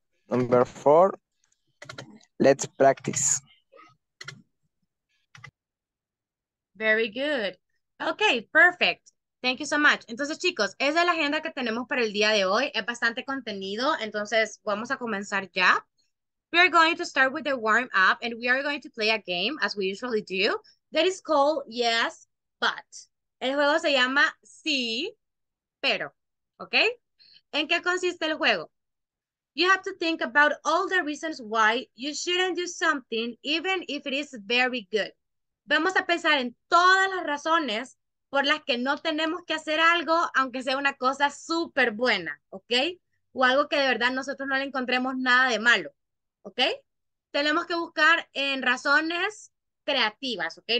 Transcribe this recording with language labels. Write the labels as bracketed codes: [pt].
[en] Number four, let's practice. Very good. Okay, perfect. Thank you so much. [es] Entonces, chicos, esa es la agenda que tenemos para el día de hoy. Es bastante contenido, entonces vamos a comenzar ya. [en] We are going to start with the warm up and we are going to play a game as we usually do that is called Yes, But. [es] El juego se llama Sí, Pero. Okay? ¿En qué consiste el juego? [en] You have to think about all the reasons why you shouldn't do something, even if it is very good. [es] Vamos a pensar en todas las razones por las que no tenemos que hacer algo, aunque sea una cosa súper buena, ¿ok? O algo que de verdad nosotros no le encontremos nada de malo, ¿ok? Tenemos que buscar en razones creativas, ¿ok?